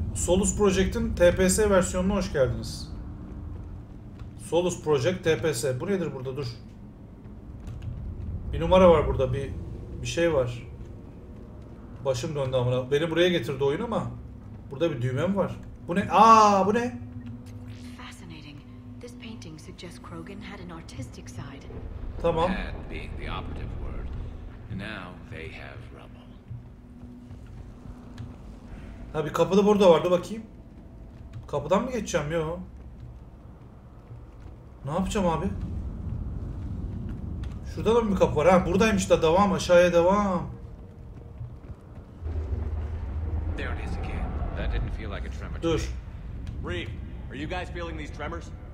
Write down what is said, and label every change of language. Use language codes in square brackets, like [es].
[tr] Solus Project'in TPS versiyonuna hoş geldiniz. Solus Project TPS. Bu nedir burada? Dur. Bir numara var burada. Bir şey var. Başım döndü amına. Beni buraya getirdi oyun ama. Burada bir düğme mi var? Bu ne? Aa bu ne? [en] Fascinating. This painting suggests Krogan had an artistic side. [tr] Tamam. [en] Had being the operative word. Now they have. [tr] Ha bir kapı da burada vardı bakayım. Kapıdan mı geçeceğim yo? Ne yapacağım abi? Şurada da mı bir kapı var? Ha buradaymış da, devam aşağıya devam. [en] There it is again. That didn't feel like a tremor. [tr] Dur. [en] Reef, are you guys feeling these tremors?